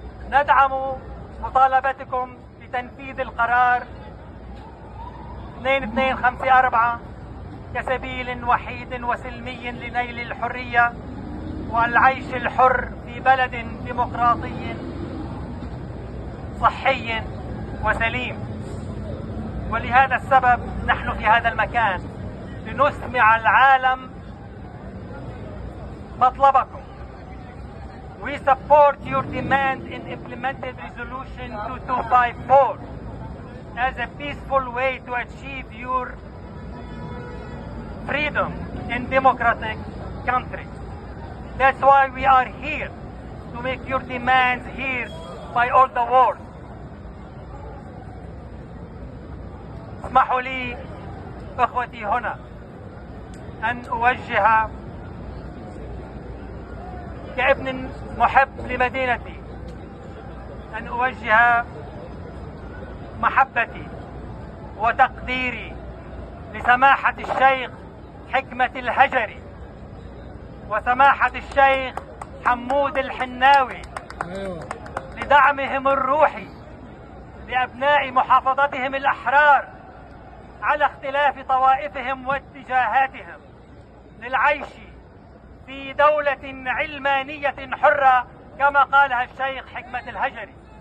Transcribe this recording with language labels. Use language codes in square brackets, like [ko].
[ar] ندعم مطالبتكم بتنفيذ القرار 2254 كسبيل وحيد وسلمي لنيل الحرية والعيش الحر في بلد ديمقراطي صحي وسليم. ولهذا السبب نحن في هذا المكان لنسمع العالم مطلبكم. [en] We support your demand in implemented resolution 2254 as a peaceful way to achieve your freedom in democratic country. That's why we are here to make your demands heard by all the world. [ar] اسمحوا لي اخوتي هنا ان اوجه كابن محب لمدينتي ان اوجه محبتي وتقديري لسماحة الشيخ حكمة الهجري وسماحة الشيخ حمود الحناوي لدعمهم الروحي لأبناء محافظتهم الأحرار على اختلاف طوائفهم واتجاهاتهم للعيش في دولة علمانية حرة كما قالها الشيخ حكمة الهجري.